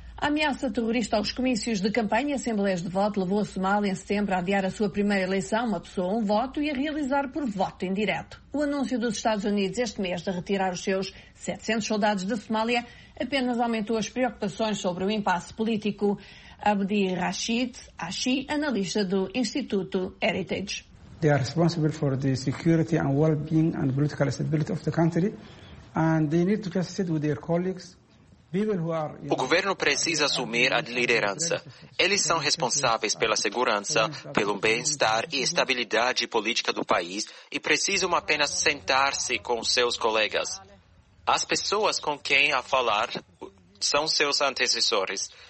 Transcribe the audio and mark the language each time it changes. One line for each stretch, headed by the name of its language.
Portuguese: A ameaça terrorista aos comícios de campanha e assembleias de voto levou a Somália em setembro a adiar a sua primeira eleição, uma pessoa, um voto, e a realizar por voto indireto. O anúncio dos Estados Unidos este mês de retirar os seus 700 soldados da Somália apenas aumentou as preocupações sobre o impasse político. Abdi Rashid Ashi, analista do Instituto Heritage.
English: They are responsible for the security and well-being and political stability of the country, and they need to just sit with their colleagues.
Portuguese: O governo precisa assumir a liderança. Eles são responsáveis pela segurança, pelo bem-estar e estabilidade política do país e precisam apenas sentar-se com seus colegas. As pessoas com quem a falar são seus antecessores.